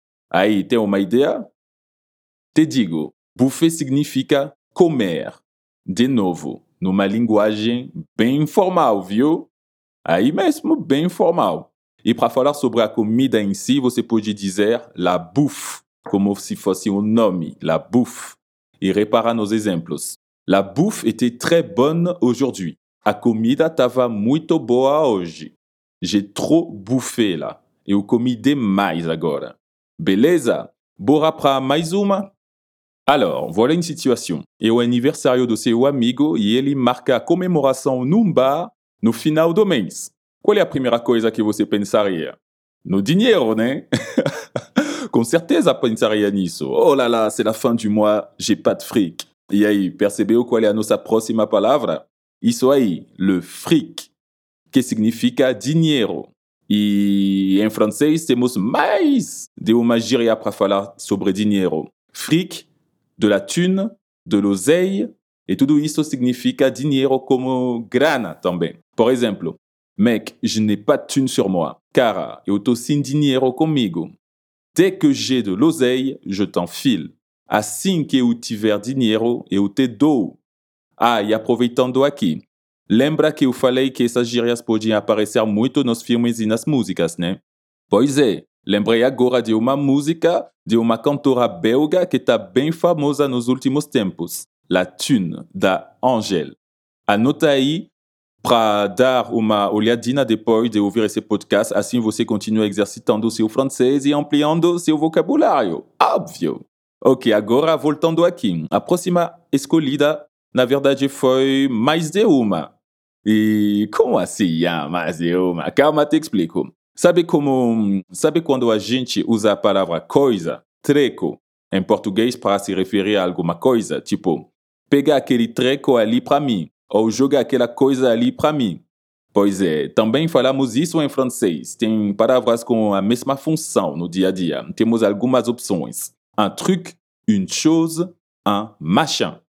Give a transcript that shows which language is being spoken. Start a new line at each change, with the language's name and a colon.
Portuguese: Aí, tem uma ideia? Te digo, bouffer significa comer. De novo, numa linguagem bem informal, viu? Aí mesmo, bem formal. E para falar sobre a comida em si, você pode dizer la bouffe, como se fosse nome, la bouffe. E repara nos exemplos.
French: La bouffe était très bonne aujourd'hui.
Portuguese: A comida estava muito boa hoje.
French: J'ai trop bouffé là.
Portuguese: Eu comi demais agora. Beleza? Bora para mais uma?
French: Alors, voilà une situation.
Portuguese: É o aniversário do seu amigo e ele marca a comemoração num bar no final do mês. Qual é a primeira coisa que você pensaria? No dinheiro, né? Com certeza pensaria nisso.
French: Oh là là, c'est la fin du mois, j'ai pas de fric.
Portuguese: E aí, percebeu qual é a nossa próxima palavra? Isso aí, le fric, que significa dinheiro. E em francês temos mais de uma gíria para falar sobre dinheiro. Fric, de la thune, de l'oseille, e tudo isso significa dinheiro como grana também. Por exemplo,
French: mec, je n'ai pas de thune sur moi.
Portuguese: Cara, eu tô sem dinheiro comigo.
French: Dès que j'ai de l'oseille, je t'enfile.
Portuguese: Assim que eu tiver dinheiro, eu te dou. Ah, e aproveitando aqui. Lembra que eu falei que essas gírias podiam aparecer muito nos filmes e nas músicas, né? Pois é. Lembrei agora de uma música de uma cantora belga que tá bem famosa nos últimos tempos. La Thune, da Angèle. Anota aí para dar uma olhadinha depois de ouvir esse podcast, assim você continua exercitando seu francês e ampliando seu vocabulário. Óbvio! Ok, agora voltando aqui. A próxima escolhida, na verdade, foi mais de uma. E como assim, mais de uma? Calma, te explico. Sabe quando a gente usa a palavra coisa, treco, em português para se referir a alguma coisa? Tipo, pega aquele treco ali para mim. Ou joga aquela coisa ali para mim. Pois é, também falamos isso em francês. Tem palavras com a mesma função no dia a dia. Temos algumas opções.
French: Un truc, une chose, un machin.